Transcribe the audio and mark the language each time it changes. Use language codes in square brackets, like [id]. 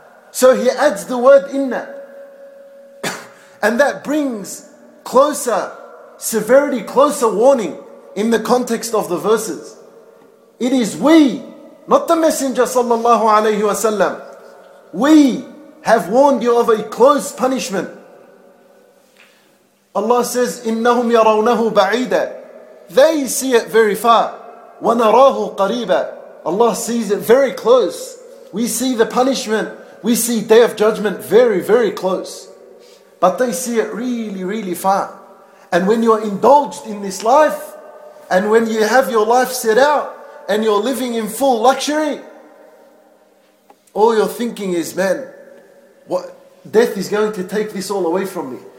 [en] So he adds the word inna. And that brings closer severity, closer warning in the context of the verses. It is we, not the messenger sallallahu alayhi wa sallam. We have warned you of a close punishment. [ar] Allah says, إِنَّهُمْ يَرَوْنَهُ بَعِيدًا. [en] They see it very far. وَنَرَاهُ قَرِيبًا. Allah sees it very close. We see the punishment. We see Day of Judgment very, very close. But they see it really, really far. And when you're indulged in this life, and when you have your life set out, and you're living in full luxury, all you're thinking is, man, what death is going to take this all away from me.